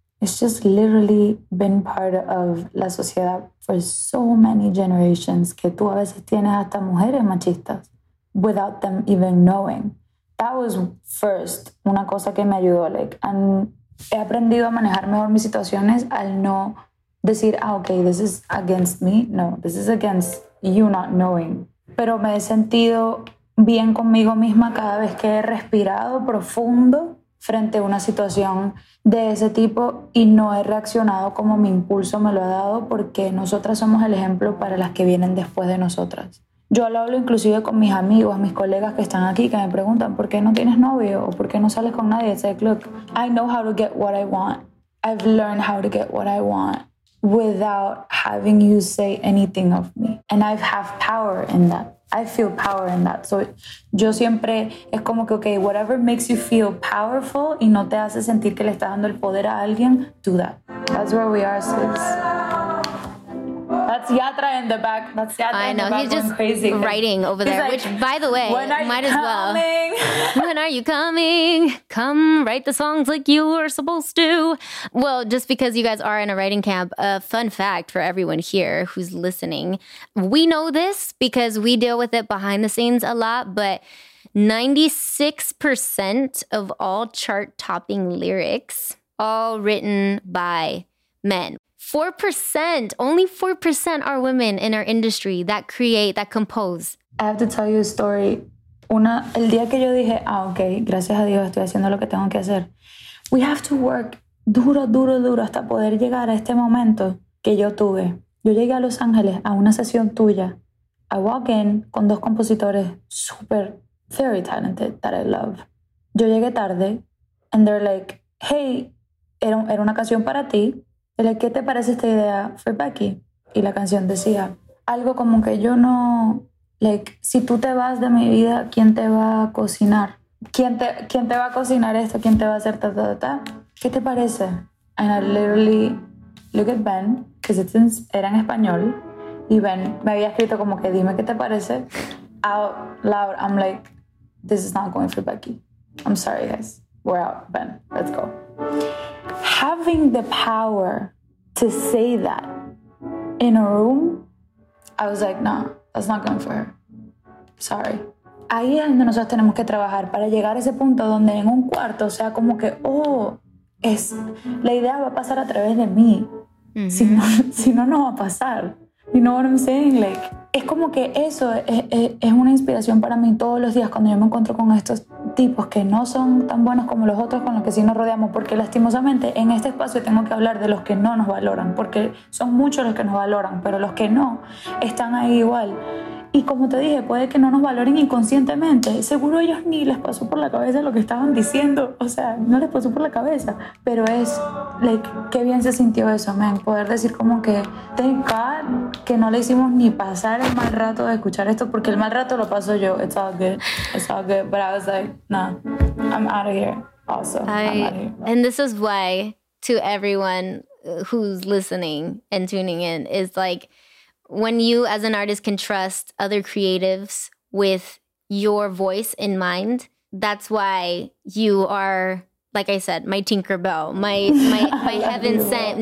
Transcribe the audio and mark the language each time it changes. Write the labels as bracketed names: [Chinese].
[English] It's just literally been part of [Spanish] la sociedad [English] for so many generations, [Spanish] que tú a veces tienes hasta mujeres machistas [English] without them even knowing. That was first [Spanish] una cosa que me ayudó, like, and he aprendido a manejar mejor mis situaciones al no decir, [English] ah, okay, this is against me. No, this is against you not knowing. [Spanish] Pero me he sentido bien conmigo misma cada vez que he respirado profundo frente a una situación de ese tipo y no he reaccionado como mi impulso me lo ha dado, porque nosotras somos el ejemplo para las que vienen después de nosotras. Yo lo hablo inclusive con mis amigos, mis colegas que están aquí, que me preguntan, ¿por qué no tienes novio? ¿O por qué no sales con nadie? [English] It's like, look, I know how to get what I want. I've learned how to get what I want without having you say anything of me. And I have power in that. I feel power in that. So [Spanish] yo siempre, es como que, [English] okay, whatever makes you feel powerful [Spanish] y no te hace sentir que le estás dando el poder a alguien, [English] do that. That's where we are, sis. That's Yatra in the back. That's Yatra. I know. In the back. He's just crazy writing over there. Like, which, by the way, might as well. When are you coming? Come write the songs like you were supposed to. Well, just because you guys are in a writing camp, a fun fact for everyone here who's listening. We know this because we deal with it behind the scenes a lot, but 96% of all chart-topping lyrics all written by men. 4%, only 4% are women in our industry that create, that compose. I have to tell you a story. [Spanish] El día que yo dije, ah, okay, gracias a Dios, estoy haciendo lo que tengo que hacer. [English] We have to work [Spanish] duro, duro, duro hasta poder llegar a este momento que yo tuve. Yo llegué a Los Ángeles a una sesión tuya. [English] I walk in [Spanish] con dos compositores [English] super, very talented that I love. [Spanish] Yo llegué tarde [English] and they're like, hey, [Spanish] era una canción para ti. Dile, ¿qué te parece esta idea? Fue Becky. Y la canción decía algo como que yo no... Like, si tú te vas de mi vida, ¿quién te va a cocinar? ¿Quién te va a cocinar esto? ¿Quién te va a hacer ta, ta, ta, ta? ¿Qué te parece? [English] And I literally look at Ben, because [Spanish] era en español, y Ben me había escrito como que dime qué te parece. [English] Out loud, I'm like, this is not going for Becky. I'm sorry, guys. We're out, Ben. Let's go. Having the power to say that in a room, I was like, no, that's not going for her. Sorry. [Spanish] Ahí es donde nosotros tenemos que trabajar para llegar a ese punto donde en un cuarto sea como que, oh, es, la idea va a pasar a través de mí. Mm-hmm. Si no, no va a pasar. [English] You know what I'm saying? Like, [Spanish] es como que eso es una inspiración para mí todos los días cuando yo me encuentro con estos tipos que no son tan buenos como los otros con los que sí nos rodeamos, porque lastimosamente en este espacio tengo que hablar de los que no nos valoran, porque son muchos los que nos valoran, pero los que no están ahí igual. Y como te dije, puede que no nos valoren inconscientemente. Seguro ellos ni les pasó por la cabeza lo que estaban diciendo. O sea, no les pasó por la cabeza. Pero es, [English] like, [Spanish] qué bien se sintió eso, [English] man. [Spanish] Poder decir como que, [English] thank God, [Spanish] que no le hicimos ni pasar el mal rato de escuchar esto, porque el mal rato lo paso yo. [English] It's all good. It's all good. But I was like, nah, I'm out of here. Also, I'm out of here. And this is why, to everyone who's listening and tuning in, is like, when you as an artist can trust other creatives with your voice in mind, that's why you are, like I said, my Tinkerbell, my heaven sent.